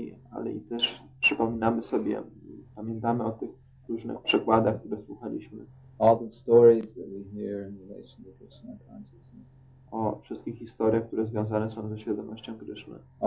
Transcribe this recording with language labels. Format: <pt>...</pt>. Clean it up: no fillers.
<pl>Ale i też przypominamy sobie, pamiętamy o tych różnych przykładach, które słuchaliśmy.</pl> <en>All the stories that we hear in relation to Krishna consciousness.</en> <pl>O wszystkich historiach, które związane są ze świadomością Krishna.</pl>